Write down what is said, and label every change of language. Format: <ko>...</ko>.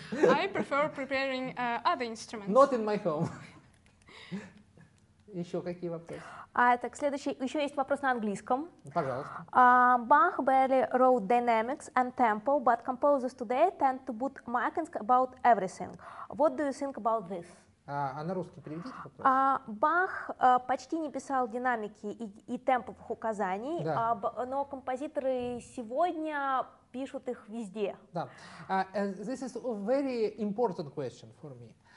<en>I prefer preparing other instruments. Not in my home.</en> <ru>Еще какие вопросы? Так, следующий. Еще есть вопрос на английском. Пожалуйста.</ru> <en>Bach barely wrote dynamics and tempo, but composers today tend to put markings about everything. What do you think about this?</en> <ru>А на русский переведите вопрос. Bach почти не писал динамики и темповых указаний, да. Но композиторы сегодня пишут их везде. Да.</ru> <en>This is a very important question for me.</en>